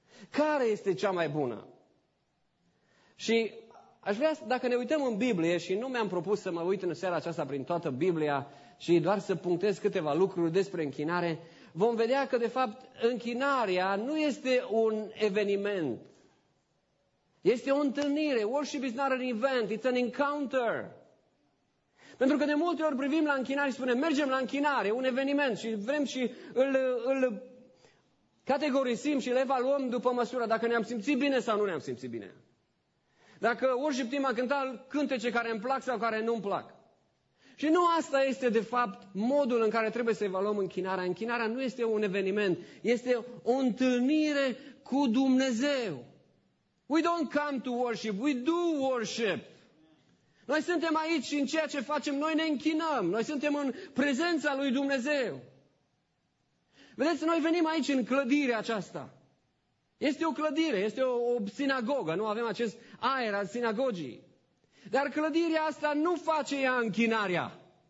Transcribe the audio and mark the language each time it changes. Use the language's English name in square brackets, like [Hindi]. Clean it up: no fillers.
[Romanian] Care este cea mai bună? Și aș vrea, dacă ne uităm în Biblie, și nu mi-am propus să mă uit în seara aceasta prin toată Biblia, și doar să punctez câteva lucruri despre închinare, vom vedea că, de fapt, închinarea nu este un eveniment. Este o întâlnire. [English] Worship is not an event, it's an encounter. [Romanian] Pentru că de multe ori privim la închinare și spunem, mergem la închinare, un eveniment, și vrem și îl categorisim și îl evaluăm după măsura dacă ne-am simțit bine sau nu ne-am simțit bine. Dacă worship team a cântat cântece care îmi plac sau care nu îmi plac. Și nu asta este, de fapt, modul în care trebuie să evaluăm închinarea. Închinarea nu este un eveniment, este o întâlnire cu Dumnezeu. [English] We don't come to worship, we do worship. [Romanian] Noi suntem aici și în ceea ce facem, noi ne închinăm. Noi suntem în prezența lui Dumnezeu. Vedeți, noi venim aici în clădirea aceasta. Este o clădire, este o sinagogă, nu avem acest aer al sinagogii. Dar clădirea asta nu face ea închinarea.